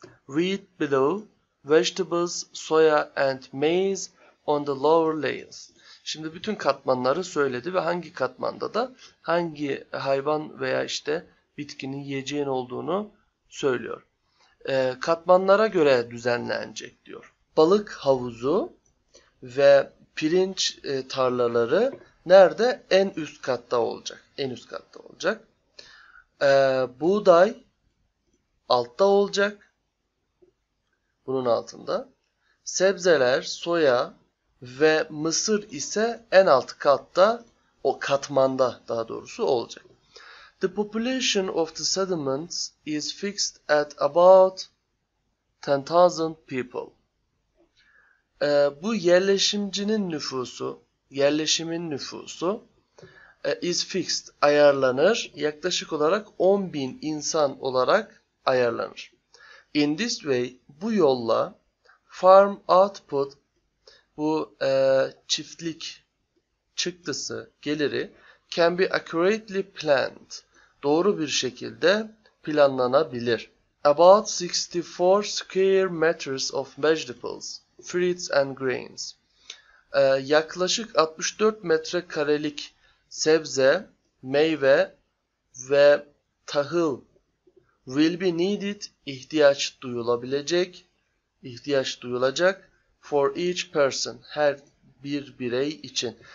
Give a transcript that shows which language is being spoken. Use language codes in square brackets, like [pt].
[en] Wheat below, vegetables, soya and maize on the lower layers. [tr] Şimdi bütün katmanları söyledi ve hangi katmanda da hangi hayvan veya işte bitkinin yiyeceğin olduğunu söylüyor. Katmanlara göre düzenlenecek diyor. Balık havuzu ve pirinç tarlaları nerede? En üst katta olacak. En üst katta olacak. Buğday altta olacak. Bunun altında. Sebzeler, soya ve mısır ise en alt katta, o katmanda daha doğrusu olacak. [en] The population of the settlements is fixed at about 10,000 people. [tr] Bu yerleşimcinin nüfusu, yerleşimin nüfusu [en] is fixed, [tr] ayarlanır. Yaklaşık olarak 10 bin insan olarak ayarlanır. [en] In this way, [tr] bu yolla [en] farm output, [tr] bu çiftlik çıktısı, geliri [en] can be accurately planned, [tr] doğru bir şekilde planlanabilir. [en] About 64 square meters of vegetables, fruits and grains. [tr] Yaklaşık 64 metrekarelik sebze, meyve ve tahıl [en] will be needed, [tr] ihtiyaç duyulacak [en] for each person, [tr] her bir birey için.